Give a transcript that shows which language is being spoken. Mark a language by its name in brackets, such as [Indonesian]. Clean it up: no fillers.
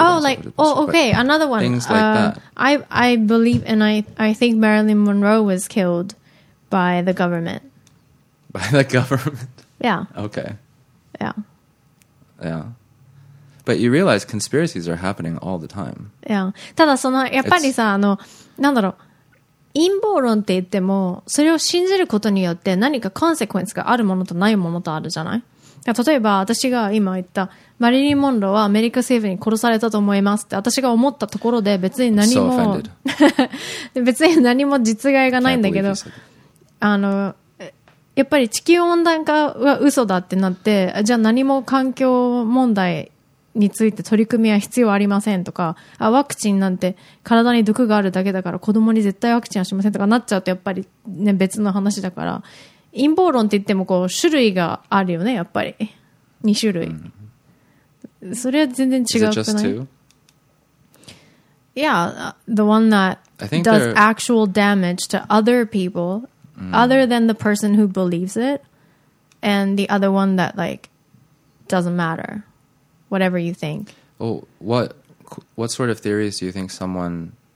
[English] Oh, like, oh, okay, but another one. Things like that. I believe, and I think Marilyn Monroe was killed by the government. By the government? Yeah. Okay. Yeah. Yeah. But you realize conspiracies are happening all the time. Yeah. [Japanese] ただそのやっぱりさ、あの、なんだろう、陰謀論って言っても、それを信じることによって何かコンセクエンスがあるものとないものとあるじゃない？例えば私が今言ったマリリン・モンローはアメリカ政府に殺されたと思いますって私が思ったところで別に何も、 [English] so、 [Japanese] 別に何も実害がないんだけど、あのやっぱり地球温暖化は嘘だってなって、じゃあ何も環境問題について取り組みは必要ありませんとか、あワクチンなんて体に毒があるだけだから子供に絶対ワクチンはしませんとかなっちゃうとやっぱり、ね、別の話だから、陰謀論って言ってもこう種類があるよね、やっぱり2種類、mm-hmm. それは全然違うくない？ [English] Is it just two? Yeah, the one that does actual damage to other people、mm-hmm. other than the person who believes it, and the other one that like doesn't matter whatever you think. Oh, what sort of theories do you think someone...